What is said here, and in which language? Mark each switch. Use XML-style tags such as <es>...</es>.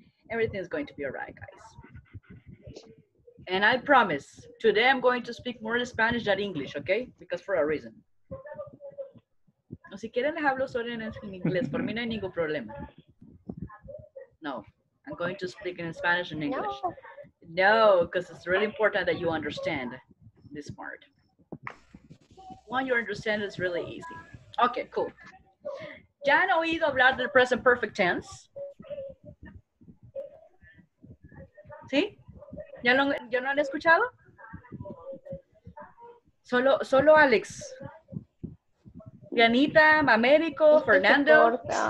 <en>Everything's going to be all right, guys. And I promise, today I'm going to speak more Spanish than English, okay? Because for a reason.</en> <es>No, si quieren les hablo solo en inglés, por mí no hay ningún problema.</es> <en>No, I'm going to speak in Spanish and English. No, because it's really important that you understand this part. When you understand, it's really easy. Okay, cool.</en> <es>¿Ya han oído hablar del present perfect tense? ¿Sí? ¿Ya no han escuchado? Solo Alex. Pianita, Mamérico, Fernando.</es>